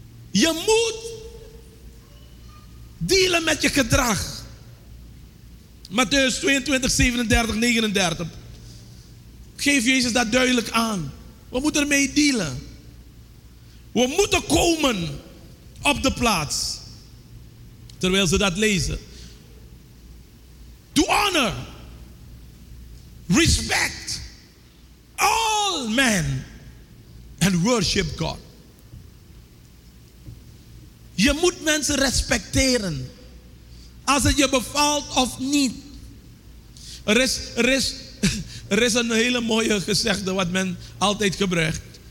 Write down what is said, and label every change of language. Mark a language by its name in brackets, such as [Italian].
[Dutch] Je moet dealen met je gedrag. Matteüs 22, 37, 39. Geef Jezus dat duidelijk aan. We moeten ermee dealen. We moeten komen op de plaats. Terwijl ze dat lezen. [English] To honor, respect all men and worship God. [Dutch] Je moet mensen respecteren. Als het je bevalt of niet. Er is een hele mooie gezegde wat men altijd gebruikt.